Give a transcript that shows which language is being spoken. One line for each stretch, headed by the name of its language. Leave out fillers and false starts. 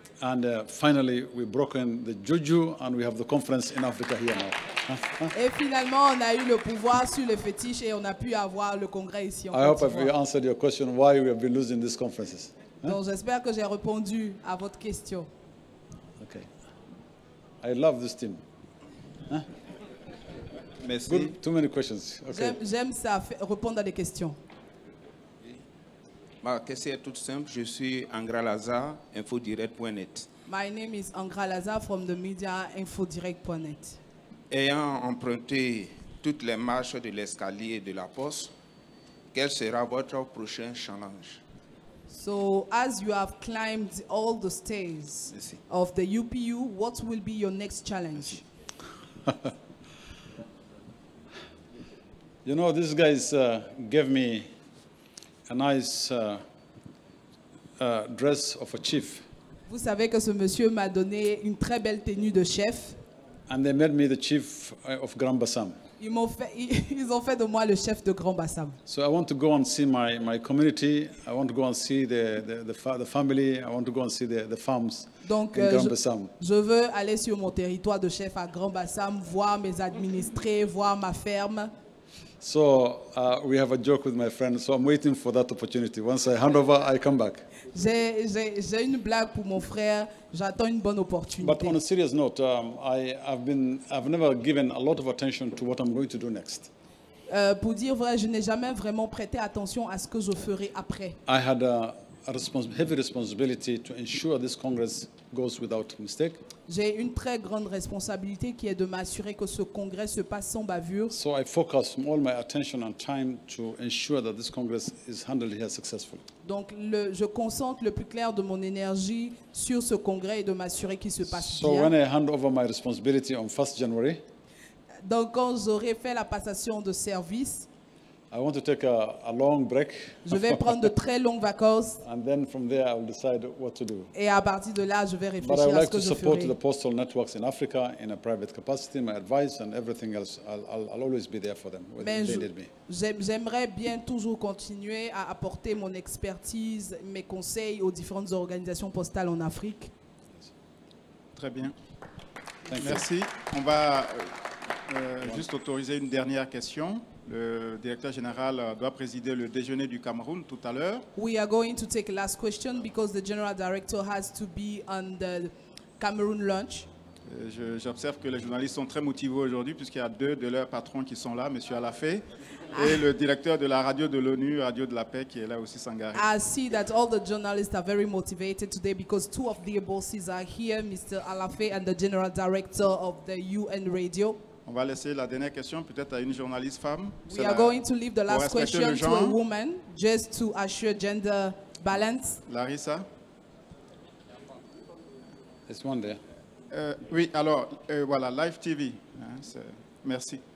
English: And finally, we broken the juju and we have the conference in Africa here now.
French: Et finalement, on a eu le pouvoir sur le fétiche et on a pu avoir le congrès ici en
English: Côte d'Ivoire. I hope I answered your question why we have been losing these conferences.
French: Donc j'espère que j'ai répondu à votre question.
English: Okay. I love this team.
French: Merci.
English: Good. Too many questions. Okay.
French: J'aime ça, répondre à des questions. Ma question est toute simple. Je suis Angra Laza, infodirect.net.
English: My name is Angra Laza from the media infodirect.net.
French: Ayant emprunté toutes les marches de l'escalier de la poste, quel sera votre prochain challenge?
English: So, as you have climbed all the stairs of the UPU, what will be your next challenge? You know, these guys gave me a nice dress of a chief.
French: Vous savez que ce monsieur m'a donné une très belle tenue de chef.
English: And they made me the chief of Grand Bassam.
French: Ils ont fait de moi le chef de Grand Bassam.
English: So I want to go and see my community. I want to go and see the family. I want to go and see the farms.
French: Donc,
English: in Grand Bassam.
French: Je veux aller sur mon territoire de chef à Grand Bassam, voir mes administrés, voir ma ferme.
English: So we have a joke with my friend. So I'm waiting for that opportunity. Once I hand over, I come back.
French: J'ai une blague pour mon frère. J'attends une bonne opportunité.
English: But on a serious note, I've never given a lot of attention to what I'm going to do next.
French: Pour dire vrai, je n'ai jamais vraiment prêté attention à ce que je ferai après.
English: I had a heavy responsibility to ensure this Congress goes without mistake.
French: J'ai une très grande responsabilité qui est de m'assurer que ce congrès se passe sans bavure.
English: So I focus all my attention and time to ensure that this congress is handled here successfully.
French: Donc je concentre le plus clair de mon énergie sur ce congrès et de m'assurer qu'il se passe so bien.
English: So when I hand over my responsibility on 1st January.
French: Donc quand j'aurai fait la passation de service.
English: I want to take a long break.
French: Je vais prendre de très longues vacances.
English: And then from there I will decide what to do.
French: Et à partir de là, je vais réfléchir à ce que je ferai.
English: But I would like to support the postal networks in Africa in a private capacity, my advice and everything else. I'll always be there for them when they need me.
French: J'aimerais bien toujours continuer à apporter mon expertise, mes conseils aux différentes organisations postales en Afrique. Très bien. Merci. On va juste autoriser une dernière question. Le directeur général doit présider le déjeuner du Cameroun tout à l'heure.
English: We are going to take a last question because the general director has to be on the Cameroon lunch.
French: J'observe que les journalistes sont très motivés aujourd'hui puisqu'il y a 2 de leurs patrons qui sont là, Monsieur Alafé, et le directeur de la radio de l'ONU, Radio de la Paix, qui est là aussi, Sangaré.
English: I see that all the journalists are very motivated today because 2 of their bosses are here, Mr. Alafé and the general director of the UN Radio.
French: On va laisser la dernière question peut-être à une journaliste femme.
English: We are going to leave the last question to a woman just to assure gender balance. Larissa. It's one there.
French: Oui, alors, voilà, Live TV. Merci.